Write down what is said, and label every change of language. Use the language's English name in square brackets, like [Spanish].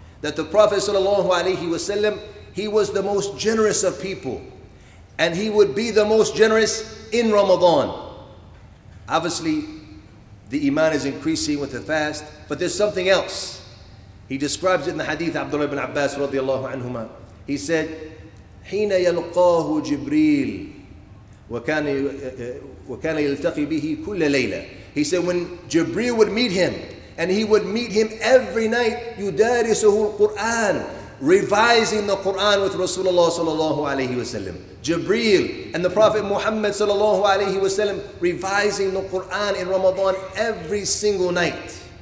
[English] That the Prophet sallallahu alayhi wasallam, he was the most generous of people, and he would be the most generous in Ramadan. Obviously, the iman is increasing with the fast, but there's something else. He describes it in the hadith Abdullah ibn Abbas radiallahu anhuma. He said, [Arabic] حين يلقاه جبريل وكان يلتقي به كل ليلة. [English] He said, when Jibreel would meet him, and he would meet him every night, [Arabic] يدارسه القرآن, [English] revising the Quran with Rasulullah sallallahu alayhi wasallam. Jibreel and the Prophet Muhammad sallallahu alayhi wasallam revising the Quran in Ramadan every single night.